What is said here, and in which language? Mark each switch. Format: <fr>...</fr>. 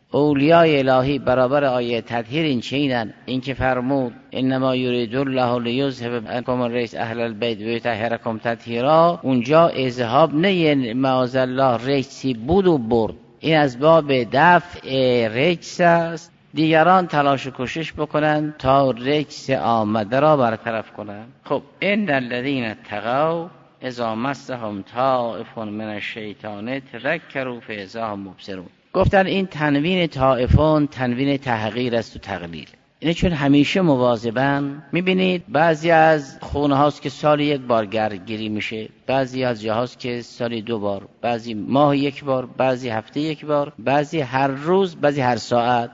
<fa>اولیای الهی برابر آیه تطهیر این چینن، این که فرمود</fa> <ar>انما یرید الله لیذهب عنکم الرجس اهل البیت و یطهرکم تطهیرا،</ar> <fa>اونجا اذهاب نه معاذ الله رجسی بود و برد، این از باب دفع رجس است. دیگران تلاش و کوشش بکنن تا رجس آمده را برطرف کنن.</fa> <ar>خب ان الذین تقوا اذا مسهم طائف من الشیطان تذکروا فاذا هم مبصرون.</ar> <fa>گفتن این تنوین طائفون تنوین تحقیر است و تقلیل. اینه چون همیشه مواظبن. میبینید بعضی از خونه هاست که سالی یک بار گرگیری میشه، بعضی از جاهاست که سالی دو بار، بعضی ماه یک بار، بعضی هفته یک بار، بعضی هر روز، بعضی هر ساعت.</fa>